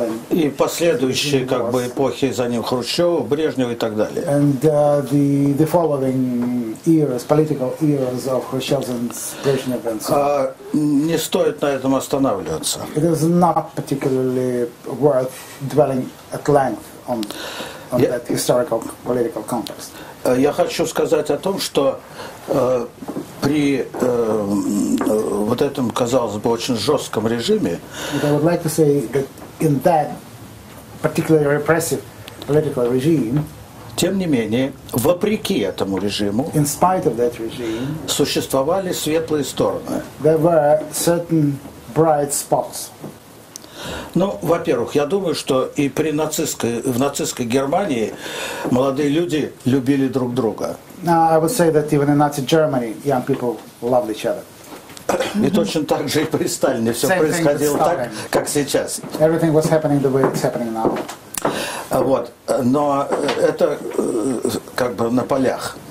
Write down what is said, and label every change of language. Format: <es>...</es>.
<ru>И последующие как бы эпохи за ним Хрущева, Брежнева и так далее.</ru> <en>And the following eras, political eras of Khrushchev and Brezhnev.</en> <ru>Не стоит на этом останавливаться.</ru> <en>It is not particularly worth dwelling at length on that historical political context.</en> <ru>Я хочу сказать о том, что при вот этом, казалось бы, очень жестком режиме.</ru> <en>But I would like to say that in that particularly repressive political regime.</en> <ru>Тем не менее, вопреки этому режиму,</ru> <en>in spite of that regime,</en> <ru>существовали светлые стороны.</ru> <en>There were certain bright spots.</en> <ru>Ну, во-первых, я думаю, что и при нацистской Германии молодые люди любили друг друга.</ru> <en>I would say that even in Nazi Germany, young people loved each other.</en> <ru>И точно так же и при Сталине все</ru> <en>Same</en> <ru>происходило так, как сейчас.</ru> <en>Everything was happening the way it's happening now.</en> <ru>Вот, но это как бы на полях.</ru>